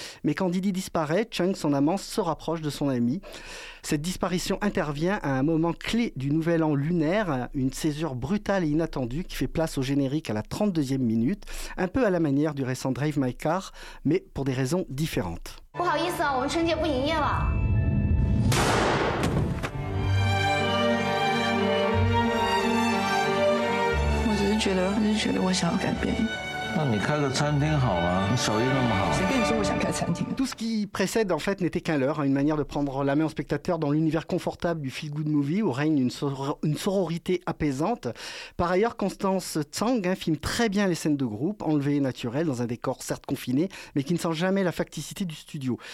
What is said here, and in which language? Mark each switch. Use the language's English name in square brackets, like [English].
[French] Mais quand Didi disparaît, Chung, son amant, se rapproche de son ami. Cette disparition intervient à un moment clé du nouvel an lunaire, une césure brutale et inattendue qui fait place au générique à la 32e minute, un peu à la manière du récent Drive My Car, mais pour des raisons différentes. [Chinese] 不好意思啊，我们春节不营业了。我只是觉得，我想要改变。那你开个餐厅好啊，你手艺那么好。谁跟你说我想开餐厅？ [French] Tout ce qui précède en fait n'était qu'un leurre, une manière de prendre la main au spectateur dans l'univers confortable du feel good movie où règne une sororité apaisante. Par ailleurs, Constance Tsang filme très bien les scènes de groupe, enlevées et naturelles, dans un décor certes confiné, mais qui ne sent jamais la facticité du studio.